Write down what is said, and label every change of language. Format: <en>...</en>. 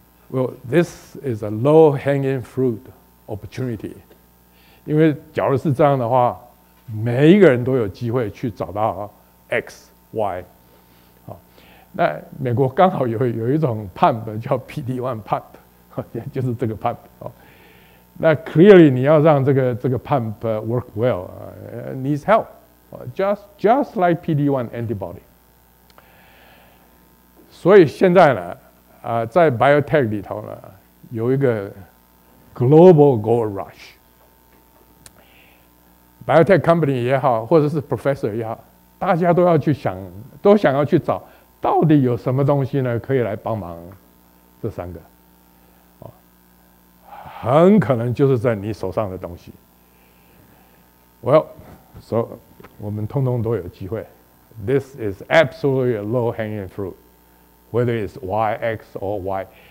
<en>Well, this is a low-hanging fruit opportunity.</en> <zh>因为假如是这样的话，每一个人都有机会去找到 X、Y。那美国刚好有一种 pump 叫 PD-1 pump， 就是这个 pump。那 clearly 你要让这个 pump</zh> <en>work well, needs help. Just like PD-1 antibody.</en> <zh>所以现在呢在 biotech 里头呢有一个</zh> <en>global gold rush，</en> <zh>biotech company 也好或者是 professor 也好，大家都要去想，都想要去找到底有什么东西呢可以来帮忙这三个，很可能就是在你手上的东西。 Well So, 我们通通都有机会。</zh> <en>This is absolutely a low-hanging fruit, whether it's Y, X, or Y.</en>